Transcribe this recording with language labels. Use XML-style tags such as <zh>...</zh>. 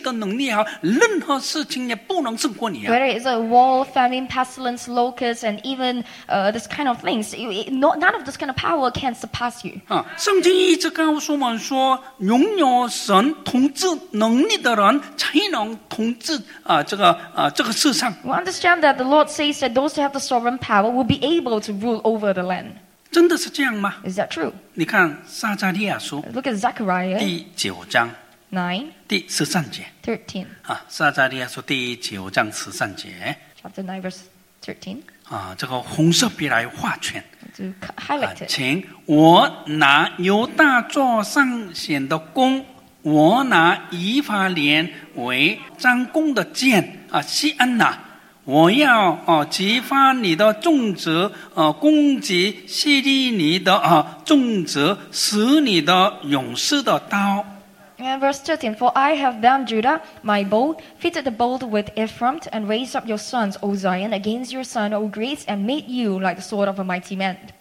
<zh>不管AI能力也好，地震能力也好，饥荒能力也好，蚱蜢的能力也好，洪水的能力也好，任何事情也不能胜过你。</zh> <en>Whether it's a wall, famine, pestilence, locusts, and even this kind of things, none of this kind of power can surpass you.</en> <zh>圣经一直告诉我们说，拥有神 统治能力的人才能统治这个世上。</zh> <en>We understand that the Lord says that those who have the sovereign power will be able to rule over the land.</en> <zh>真的是这样吗?</zh> <en>Is that true?</en> <zh>你看撒迦利亚书,</zh> <en>Look at Zechariah</en> <zh>第九章,</zh> <en>9,</en> <zh>第13节,</zh> <en>13.</en> <zh>撒迦利亚书第九章13节,</zh> <en>Chapter 9, verse 13.</en> <zh>这个红色笔来画圈,</zh> <en>to highlight it.</en> <zh>请我拿犹大作上显的弓, 我拿以法莲为张弓的箭，西安哪，我要激发你的种子，攻击希利尼的种子，使你的勇士的刀。</zh> <en>And verse 13, For I have bound Judah, my bow, fitted the bolt with Ephraim, and raised up your sons, O Zion, against your son, O Greece, and made you like the sword of a mighty man.</en>